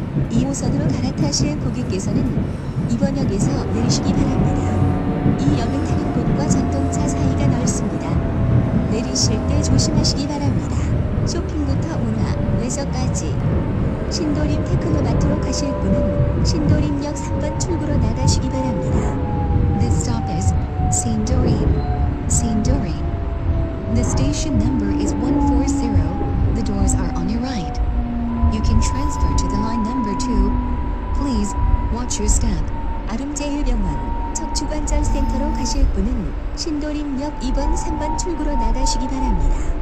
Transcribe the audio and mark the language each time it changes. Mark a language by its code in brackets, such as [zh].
[ko] 본선으로 갈아타실 고객께서는 이번 역에서 내리시기 바랍니다. 이 역은 타는 곳과 전동차 사이가 넓습니다. 내리실 때 조심하시기 바랍니다. 쇼핑부터 문화, 외서까지. 신도림 테크노마트로 가실 분은 신도림역 3번 출구로 나가시기 바랍니다. [en] This stop is 신도림. 신도림. The station number is 140. The doors are on your right. You can transfer to the line number 2. Please watch your step. [ko] 아름제일병원 척추관절센터로 가실 분은 신도림역 2번 3번 출구로 나가시기 바랍니다.